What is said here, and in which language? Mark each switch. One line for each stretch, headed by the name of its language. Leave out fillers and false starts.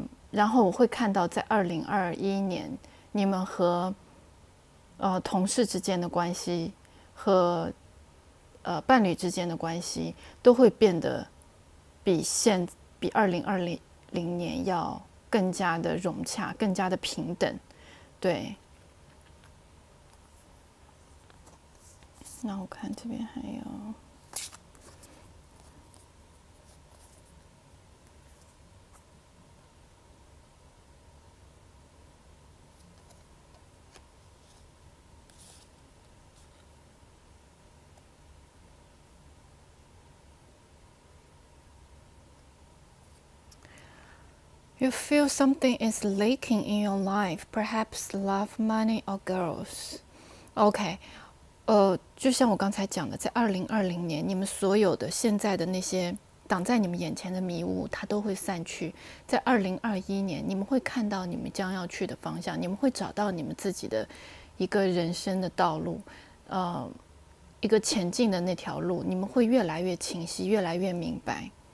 Chinese: 然后我会看到，在2021年，你们和，同事之间的关系，和，伴侣之间的关系，都会变得比2020年要更加的融洽，更加的平等，对。那我看这边还有，
English: You feel something is leaking in your life, perhaps love, money, or girls.
Chinese: OK，就像我刚才讲的，在2020年，你们所有的现在的那些挡在你们眼前的迷雾，它都会散去。在2021年，你们会看到你们将要去的方向，你们会找到你们自己的一个人生的道路，一个前进的那条路，你们会越来越清晰，越来越明白。